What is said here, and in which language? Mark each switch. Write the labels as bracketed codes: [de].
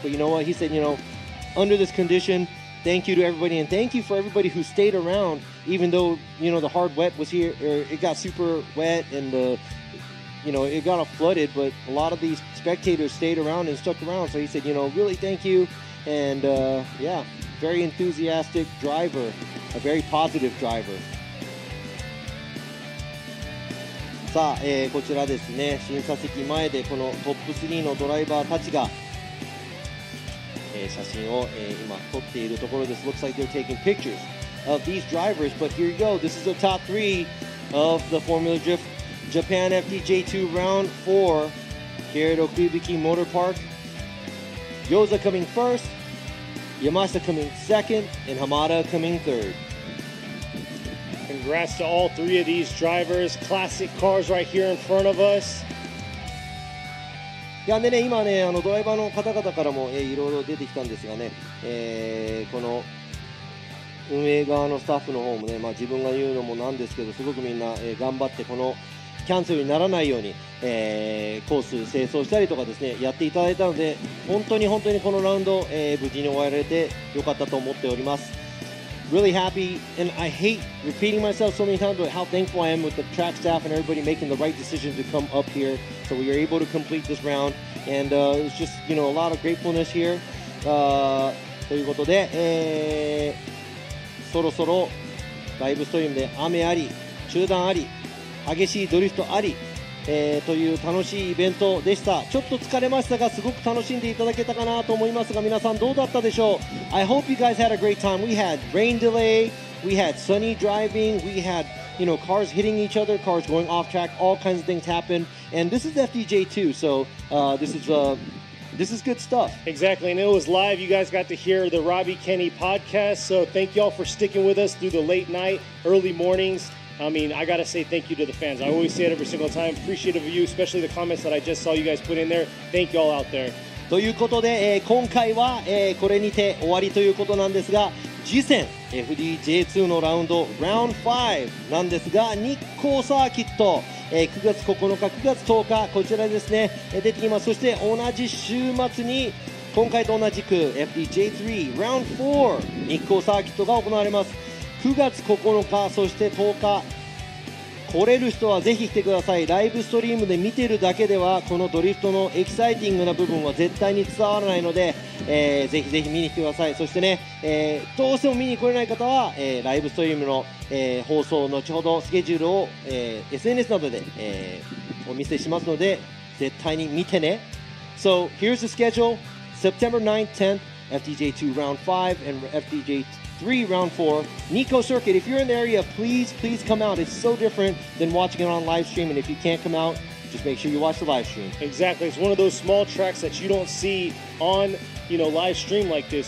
[en] But you know what? He said, you know, under this condition, thank you to everybody, and thank you for everybody who stayed around, even though, you know, the hard wet was here, or it got super wet, and the you know, it got all flooded, but a lot of these spectators stayed around and stuck around. So he said, you know, really thank you. And yeah, very enthusiastic driver, a very positive driver. [ja] さあ、こちらですね、審査席前でこのトップ3のドライバーたちが、写真を、今撮っているところです。 [en] Looks like they're taking pictures of these drivers, but here you go, this is the top three of the Formula Drift. Japan FDJ2 Round 4 here at Okuibuki Motor Park. Yoza coming first, Yamashita coming second, and Hamada coming third. Congrats to all three of these drivers. Classic cars right here in front of us. [ja] いやでね、今ね、あのドライバーの方々からも、いろいろ出てきたんですがね、この運営側のスタッフの方もね、まあ、自分が言うのもなんですけど、すごくみんな、頑張ってこのキャンセルにならないように、コース清掃したりとかですね、やっていただいたので、本当に本当にこのラウンド、無事に終えられてよかったと思っております。 [en] Really happy, and I hate repeating myself so many times, but how thankful I am with the track staff and everybody making the right decision to come up here, so we were able to complete this round, and it's just, you know, a lot of gratefulness here. [ja] ということで、そろそろライブストリームで雨あり、中断あり、激しいドリフトあり、という楽しいイベントでした。ちょっと疲れましたが、すごく楽しんでいただけたかなと思いますが、皆さんどうだったでしょう。 [en] I hope you guys had a great time. We had rain delay, we had sunny driving, we had, you know, cars hitting each other, cars going off track, all kinds of things happened. And this is FDJ2, so this is good stuff. Exactly, and it was live. You guys got to hear the Robbie Kenny podcast, so thank y'all for sticking with us through the late night, early mornings. I mean, I gotta say thank you to the fans. I always say it every single time. Appreciative of you, especially the comments that I just saw you guys put in there. Thank you all out there. [ja] ということで、今回は、これにて終わりということなんですが、次戦 FDJ2 のラウンド、Round 5なんですが、日光サーキット、9月9日、9月10日、こちらですね、出てきます。そして同じ週末に、今回と同じく FDJ3、Round 4、日光サーキットが行われます。 9月9日そして10日来れる人はぜひ来てください。ライブストリームで見てるだけではこのドリフトのエキサイティングな部分は絶対に伝わらないので、ぜひぜひ見に来てください。そしてね、どうしても見に来れない方は、ライブストリームの、放送を後ほどスケジュールを、SNS などで、お見せしますので絶対に見てね。 [en] So here's the schedule. September 9th, 10th FDJ2 Round 5 and FDJ23 round 4 Nikko Circuit. If you're in the area, please, please come out. It's so different than watching it on live stream. And if you can't come out, just make sure you watch the live stream. Exactly. It's one of those small tracks that you don't see on, you know, live stream like this.